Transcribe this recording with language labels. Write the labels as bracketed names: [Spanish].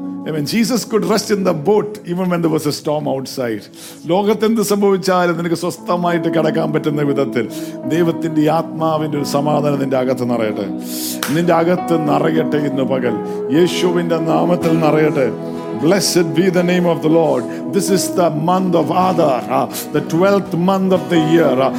[English] I mean, Jesus could rest in the boat even when there was a storm outside. [Malayalam] ലോകത്തെന്ത് സംഭവിച്ചാലും നിനക്ക് സ്വസ്ഥമായിട്ട് കടക്കാൻ പറ്റുന്ന വിധത്തിൽ ദൈവത്തിന്റെ ആത്മാവിന്റെ ഒരു സമാധാനം നിന്റെ അകത്ത് നിറയട്ടെ, നിന്റെ അകത്ത് നിറയട്ടെ. ഇന്ന് പകൽ യേശുവിന്റെ നാമത്തിൽ നിറയട്ടെ. [English] Blessed be the name of the Lord. This is the month of Adar, the 12th month of the year.